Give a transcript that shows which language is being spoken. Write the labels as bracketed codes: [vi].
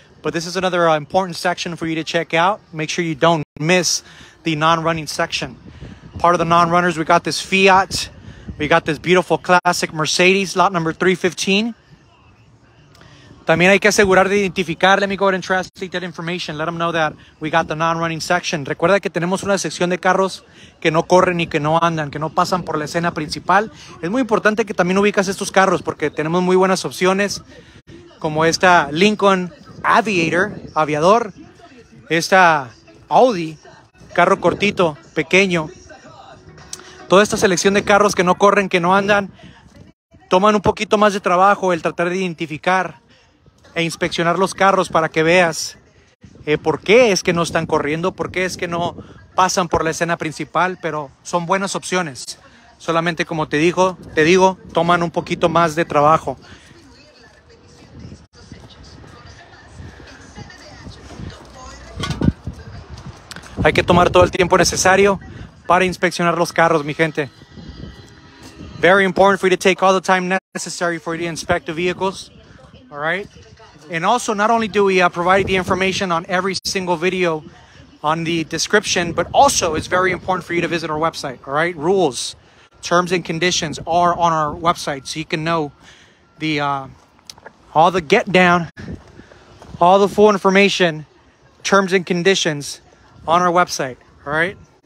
[en] But this is another important section for you to check out. Make sure you don't miss the non-running section. Part of the non-runners, we got this Fiat. We got this beautiful classic Mercedes, lot number 315. [es] También hay que asegurar de identificar. [en] Let me go ahead and translate that information. Let them know that we got the non-running section. [es] Recuerda que tenemos una sección de carros que no corren y que no andan, que no pasan por la escena principal. Es muy importante que también ubicas estos carros porque tenemos muy buenas opciones, como esta Lincoln Aviator, aviador, esta Audi, carro cortito, pequeño. Toda esta selección de carros que no corren, que no andan, toman un poquito más de trabajo el tratar de identificar e inspeccionar los carros para que veas por qué es que no están corriendo, por qué es que no pasan por la escena principal, pero son buenas opciones. Solamente como te digo, toman un poquito más de trabajo. Hay que tomar todo el tiempo necesario para inspeccionar los carros, mi gente. [en] Very important for you to take all the time necessary for you to inspect the vehicles. All right? And also, not only do we provide the information on every single video on the description, but also it's very important for you to visit our website, all right? Rules, terms and conditions are on our website, so you can know the all the get down, all the full information, terms and conditions on our website, all right?